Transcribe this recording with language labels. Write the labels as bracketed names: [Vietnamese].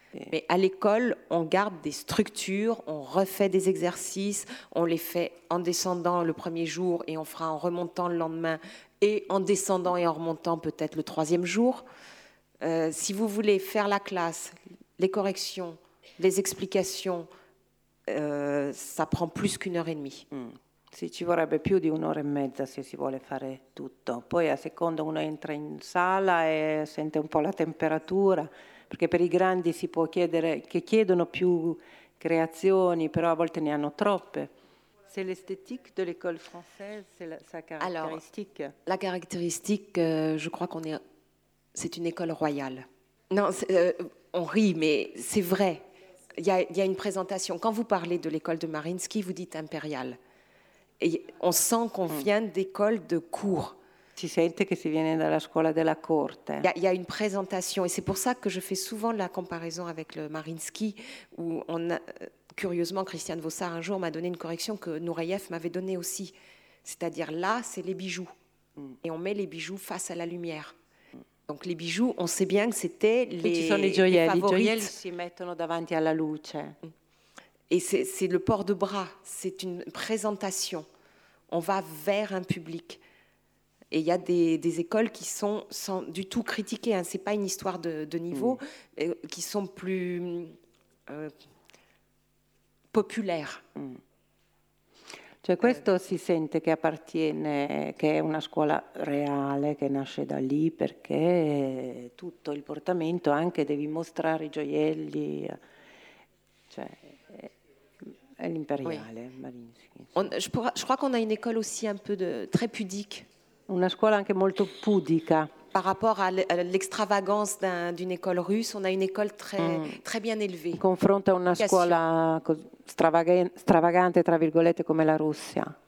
[French] Mais à l'école, on garde des structures, on refait des exercices, on les fait en descendant le premier jour et on fera en remontant le lendemain et en descendant et en remontant peut-être le troisième jour. Si vous voulez faire la classe, les corrections, les explications, ça prend plus qu'une heure et demie. [Italian] Sì, ci vorrebbe più di un'ora e mezza se si vuole fare tutto. Poi a seconda uno entra in sala e sente un po' la temperatura. Perché per i grandi si può chiedere, che chiedono più creazioni, però a volte ne hanno troppe. [French] C'è l'esthétique de l'école française, c'est sa caractéristique. Alors, la caractéristique, je crois qu'on est. C'est une école royale. Non, on rit, mais c'est vrai. Il y a une présentation. Quand vous parlez de l'école de Mariinsky, vous dites impériale. Et on sent qu'on vient d'écoles de cours. [Italian] Si sente che si viene dalla scuola della corte. [French] Il y a une présentation et c'est pour ça que je fais souvent la comparaison avec le Mariinsky où on a, curieusement Christiane Vossard un jour m'a donné une correction que Nureyev m'avait donnée aussi. C'est-à-dire là, c'est les bijoux. Et on met les bijoux face à la lumière. Donc les bijoux, on sait bien que c'était [Italian] les gioielli, favorites. I gioielli si mettono davanti alla luce. [French] Et c'est le port de bras, c'est une présentation. On va vers un public. Et il y a des écoles qui sont sans du tout critiquées, hein. Ce n'est pas une histoire de niveau, qui sont plus populaires. [Italian] Cioè questo si sente che appartiene, che è una scuola reale, che nasce da lì, perché tutto il portamento, anche devi mostrare i gioielli, cioè è l'imperiale. [French] Oui. Mariinsky, je crois qu'on a une école aussi un peu très pudique. [Italian] Una scuola anche molto pudica. [French] Par rapport à l'extravagance d'une école russe, on a une école très bien élevée. [Italian] Confronto a una scuola stravagante, tra virgolette, come la Russia.